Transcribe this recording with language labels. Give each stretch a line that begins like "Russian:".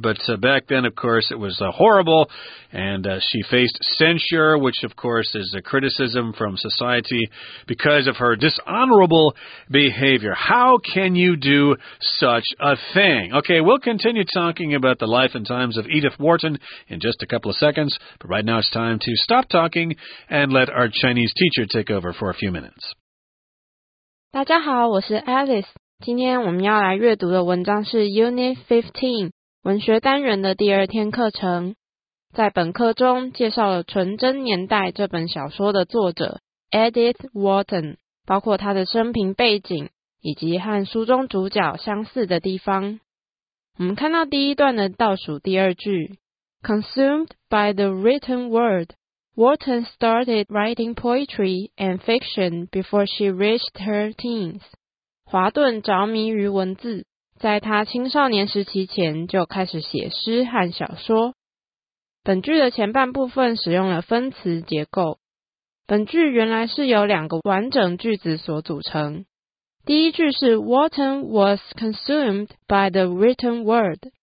English: But back then, of course, it was horrible, and she faced censure, which, of course, is a criticism from society because of her dishonorable behavior. How can you do such a thing? Okay, we'll continue talking about the life and times of Edith Wharton in just a couple of seconds, but right now it's time to stop talking and let our Chinese teacher take over for a few minutes.
Chinese: 大家好，我是 Alice。今天我们要来阅读的文章是 Unit 15，文学单元的第二天课程。在本课中介绍了《纯真年代》这本小说的作者 Edith Wharton， 包括她的生平背景以及和书中主角相似的地方。我们看到第一段的倒数第二句。
English: Consumed by the written word, Wharton started writing poetry and fiction before she reached her teens.
Chinese: 华顿着迷于文字，在他青少年时期前就开始写诗和小说。本句的前半部分使用了分词结构。本句原来是由两个完整句子所组成。第一句是
English: Wharton was consumed by the written word。